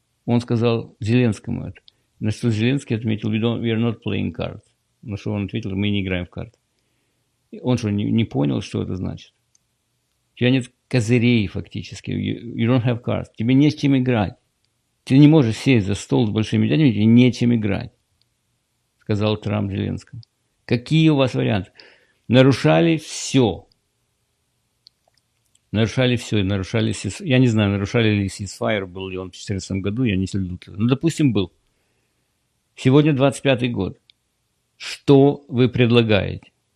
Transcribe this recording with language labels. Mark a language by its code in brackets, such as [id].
[uk] Він сказав Зеленському це. На що Зеленський відмітив, [en] we are not playing cards. [uk] На що він відповів, ми не граємо в карти. Він що, не зрозумів, що це значить? У тебе [ru] нет козирей, [uk] фактично. [en] You don't have cards. [uk] Тебе не з чим грати. Ти не можеш сісти за стол з [ru] большими дядями, [uk] тебе не з чим грати. [ru] Сказал Трамп Зеленскому. Какие у вас варианты? Нарушали все. Нарушали все. Нарушали я не знаю, нарушали ли ceasefire, был ли он в 14 году, я не следил. Ну, допустим, был. Сегодня 25-й год. Что вы предлагаете?